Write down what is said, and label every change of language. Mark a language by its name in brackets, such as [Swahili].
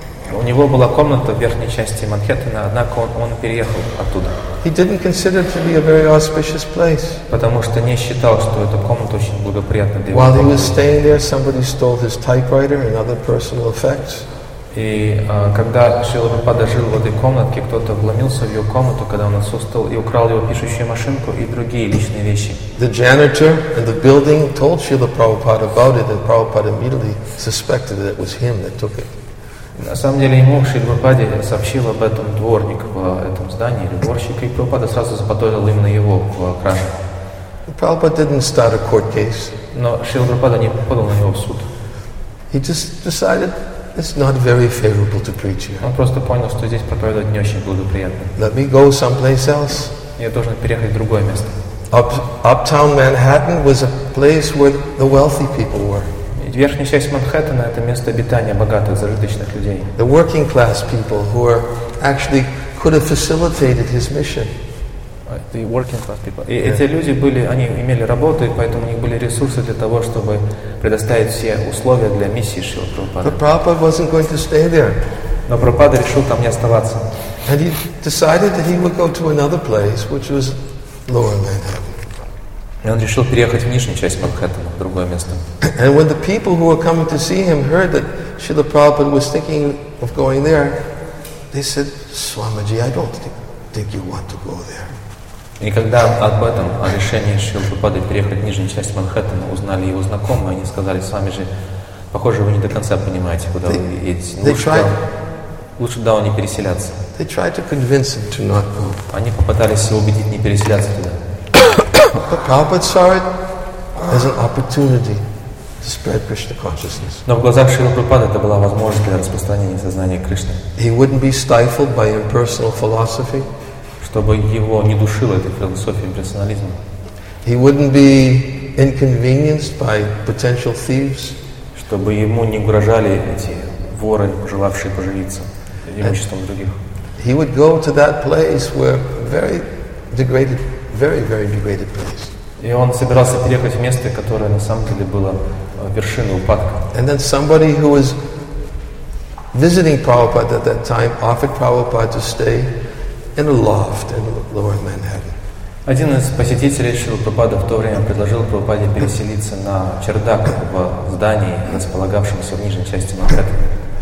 [Russian] У него была комната в верхней части Манхэттена, однако он переехал оттуда. [English] He didn't consider it to be a very auspicious place. [Russian] Потому что не считал, что эта комната очень благоприятна для него. [English] While he was staying there, somebody stole his typewriter and other personal effects. [Russian] И когда Шрила Прабхупада жил в этой комнатке, кто-то вломился в его комнату, когда он отсутствовал, и украл его пишущую машинку и другие личные вещи. [English] The janitor in the building told Srila Prabhupada about it, and Prabhupada immediately suspected that it was him that took it. [Russian] На самом деле ему Шрила Прабхупада сообщил об этом дворник в этом здании, или дворщик, и Прабхупада сразу заподозрил именно его в краже. [English] Prabhupada didn't start a court case. [Russian] Но Шрила Прабхупада не подал на него в суд. [English] He just decided it's not very favorable to preach here. [Russian] Он просто понял, что здесь проповедовать не очень благоприятно. [English] Let me go someplace else. [Russian] Я должен переехать в другое место. [English] Uptown Manhattan was a place where the wealthy people were. [Russian] Верхняя часть Манхэттена — это место обитания богатых, зажиточных людей. [English] The working class people who are actually could have facilitated his mission. The working class people. [Russian] И эти люди были, они имели работу, и поэтому у них были ресурсы для того, чтобы предоставить все условия для миссии Шрилы Прабхупады. [English] But Prabhupada wasn't going to stay there. [Russian] Но Прабхупада решил там не оставаться. [English] And he decided that he would go to another place, which was lower Manhattan. [Russian] И он решил переехать в нижнюю часть Манхэттена, в другое место. [English] And when the people who were coming to see him heard that Srila Prabhupada was thinking of going there, they said, Swamiji, I don't think you want to go there. [Russian] И когда об этом, о решении Шрилы Прабхупады переехать в нижнюю часть Манхэттена, узнали его знакомые, они сказали, с вами же, похоже, вы не до конца понимаете, куда вы едете. Лучше да, не переселяться. [English] They tried to convince him to not go. [Russian] Они попытались его убедить не переселяться туда. [English] But Prabhupada saw it as an opportunity to spread Krishna consciousness. [Russian] Но в глазах Шрилы Прабхупады это была возможность для распространения сознания Кришны. [English] He wouldn't be stifled by impersonal philosophy. [Russian] Чтобы его не душило этой философией персонализма. [English] He wouldn't be inconvenienced by potential thieves. [Russian] Чтобы ему не угрожали эти воры, желавшие поживиться имуществом других. [English] He would go to that place where very degraded, very, very degraded place. [Russian] И он собирался переехать в место, которое на самом деле было вершиной упадка. [English] And then somebody who was visiting Prabhupada at that time offered Prabhupada to stay in a loft in lower Manhattan. [Russian] Один из посетителей Шрилы Прабхупады в то время предложил Прабхупаде переселиться на чердак в здании, располагавшемся в нижней части Манхэттена.